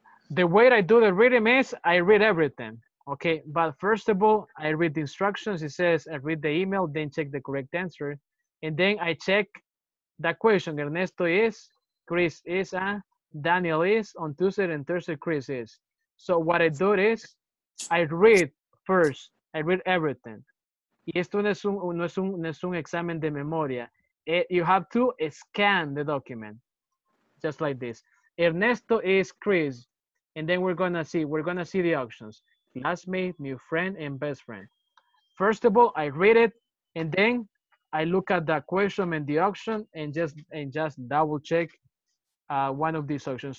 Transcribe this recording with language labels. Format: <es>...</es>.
<en>The way I do the reading is I read everything. Okay, but first of all, I read the instructions. It says I read the email, then check the correct answer. And then I check that question. Ernesto is, Chris is, Daniel is, on Tuesday and Thursday, Chris is. So what I do is I read first. I read everything.</en> <es>Y esto no es un examen de memoria.</es> <en>You have to scan the document, just like this. Ernesto is Chris. And then we're gonna see the options. Classmate, new friend, and best friend. First of all, I read it, and then I look at the question and the option, and just double check one of these options.</en>